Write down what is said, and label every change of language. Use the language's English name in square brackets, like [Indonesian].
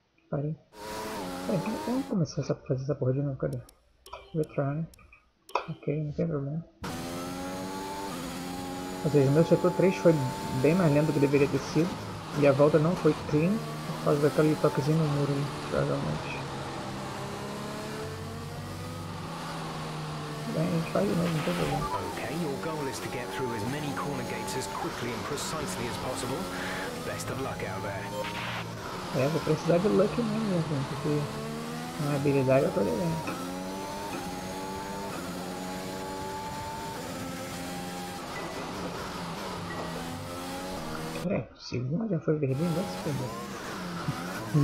[Portuguese] Parei. Vamos começar a fazer essa porra de novo. Cadê? Retry, né? Ok, não tem problema. Ou seja, meu setor 3 foi bem mais lento do que deveria ter sido. E a volta não foi clean por causa daquele toquezinho no muro, provavelmente. Bem, a gente faz de novo, não tem problema. [English] Ok, your goal is to get through as many corner gates as quickly and precisely as possible. Best of luck out there. [Portuguese] É, vou precisar de luck mesmo, porque uma habilidade eu tô devendo. É, segunda já foi verdinho, deve se perder.